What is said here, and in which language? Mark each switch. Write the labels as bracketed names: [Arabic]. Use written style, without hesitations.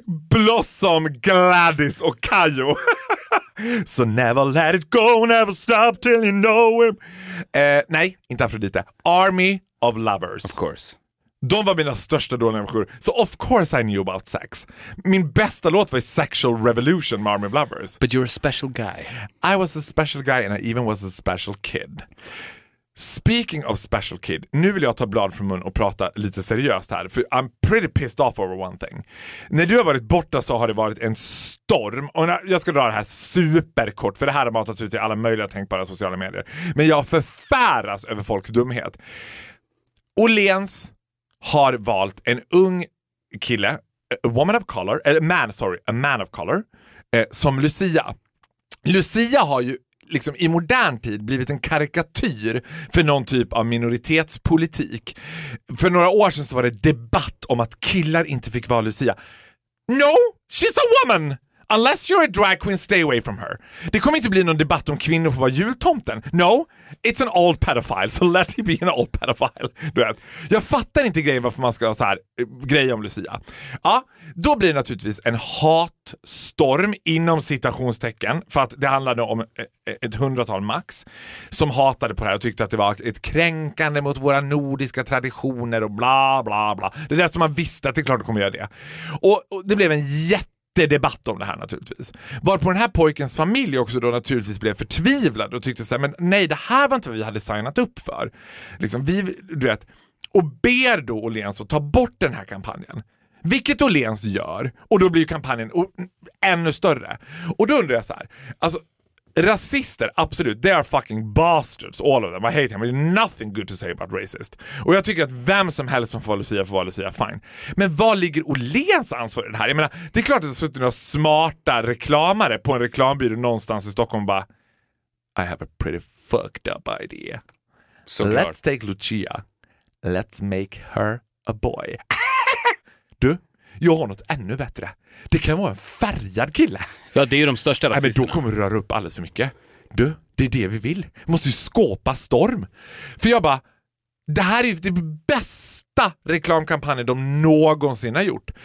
[Swedish] Blossom, Gladys och Kayo. [English] So never let it go, never stop till you know him. [Swedish] Nej, inte Afrodite. Army of Lovers. [English] Of course. [Swedish] De var mina största dåliga människor. [English] So of course I knew about sex. [Swedish] Min bästa låt var Sexual Revolution med Army of Lovers. [English] But you're a special guy. I was a special guy and I even was a special kid. Speaking of special kid, [Swedish] nu vill jag ta blad från mun och prata lite seriöst här. [English] För I'm pretty pissed off over one thing. [Swedish] När du har varit borta så har det varit en storm. Och jag ska dra det här superkort, för det här har matats ut i alla möjliga tänkbara sociala medier. Men jag förfäras över folks dumhet. Åhléns har valt en ung kille, [English] a man of color, [Swedish] som Lucia. Lucia har ju liksom i modern tid blivit en karikatyr för någon typ av minoritetspolitik. För några år sedan så var det debatt om att killar inte fick vara Lucia. [English] No, she's a woman! Unless you're a drag queen, stay away from her. [Swedish] Det kommer inte bli någon debatt om kvinnor får vara jultomten. [English] No, it's an old pedophile, so let him be an old pedophile. [Swedish] Du vet. Jag fattar inte grejen varför man ska ha så här grej om Lucia. Ja, då blir det naturligtvis en hatstorm inom citationstecken, för att det handlade om ett hundratal max som hatade på det här och tyckte att det var ett kränkande mot våra nordiska traditioner och bla bla bla. Det är det som man visste att det klart kommer göra det. Och det blev en jätte debatt om det här naturligtvis. Varpå den här pojkens familj också då naturligtvis blev förtvivlad och tyckte såhär, men nej, det här var inte vad vi hade signat upp för. Liksom, vi, du vet, och ber då Åhléns att ta bort den här kampanjen. Vilket Åhléns gör, och då blir ju kampanjen ännu större. Och då undrar jag så här, alltså, rasister, absolut, [English] they are fucking bastards, all of them. I hate him, there's nothing good to say about racist. [Swedish] Och jag tycker att vem som helst som får vara Lucia, fine. Men var ligger Åhléns ansvar i det här? Jag menar, det är klart att det suttit några smarta reklamare på en reklambyrå någonstans i Stockholm och bara, [English] I have a pretty fucked up idea. [Swedish] Så [English] let's klar. Take Lucia, let's make her a boy. [Swedish] Du, jag har något ännu bättre. Det kan vara en färgad kille. Ja, det är ju de största rasisterna. Nej, men då kommer du röra upp alldeles för mycket. Du, det är det vi vill. Vi måste ju skapa storm. För jag bara, det här är ju det bästa reklamkampanjen de någonsin har gjort.